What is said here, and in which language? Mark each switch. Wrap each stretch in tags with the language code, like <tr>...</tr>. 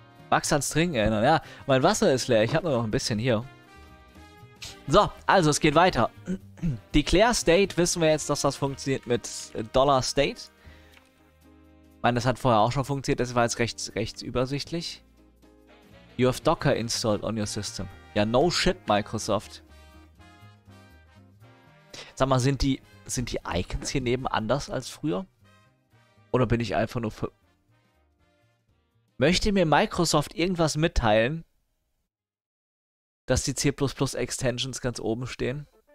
<de>Max ans Trinken erinnern. Ja, mein Wasser ist leer. Ich habe nur noch ein bisschen hier. So, also es geht weiter. Declare State, wissen wir jetzt, dass das funktioniert mit Dollar State. Ich meine, das hat vorher auch schon funktioniert. Das war jetzt recht übersichtlich.</de> <en>You have Docker installed on your system. Ja, no shit, Microsoft.</en> <de>Sag mal, sind die Icons hier neben anders als früher? Oder bin ich einfach nur für. Möchte mir Microsoft irgendwas mitteilen, dass die C++-Extensions ganz oben stehen?</de>